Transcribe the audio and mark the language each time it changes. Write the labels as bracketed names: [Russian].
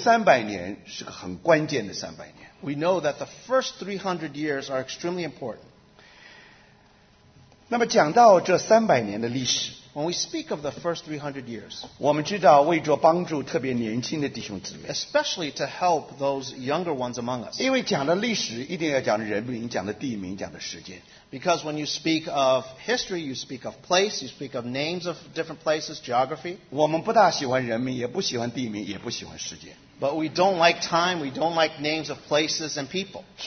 [Chinese] 那我们知道说头300年是个很关键的300年。 [English] We know that the first 300 years are extremely important. [Chinese] 那么讲到这300年的历史， [English] When we speak of the first 300 years, [Chinese] 我们知道为着帮助特别年轻的弟兄姊妹， [English] especially to help those younger ones among us. [Chinese] 因为讲的历史一定要讲人名，讲的地名，讲的时间。 [English] Because when you speak of history, you speak of place, you speak of names of different places, geography. [Chinese] 我们不大喜欢人名，也不喜欢地名，也不喜欢时间。 [English] But we don't like time, we don't like names of places and people.